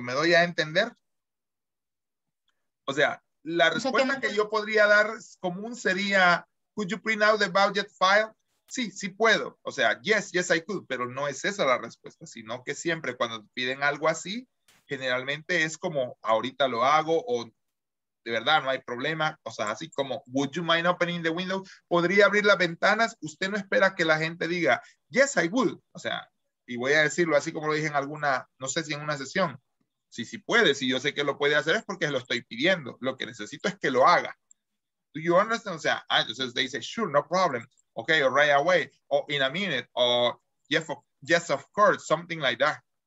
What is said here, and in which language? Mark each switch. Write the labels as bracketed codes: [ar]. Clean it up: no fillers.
[es] ¿Me doy a entender? O sea, la respuesta que yo podría dar común sería, [en] could you print out the budget file? [es] Sí, sí puedo. O sea, [en] yes, yes, I could. [es] Pero no es esa la respuesta, sino que siempre cuando te piden algo así, generalmente es como, ahorita lo hago, o de verdad, no hay problema. O sea, así como, [en] would you mind opening the window? [es] ¿Podría abrir las ventanas? Usted no espera que la gente diga, [en] yes, I would. [es] O sea, y voy a decirlo así como lo dije en alguna, no sé si en una sesión. Sí, sí puede. Si yo sé que lo puede hacer es porque lo estoy pidiendo. Lo que necesito es que lo haga. [en] Do you understand? [es] O sea, ah, entonces usted dice, [en] sure, no problem. Okay, or right away, or in a minute, or yes, of course, something like that.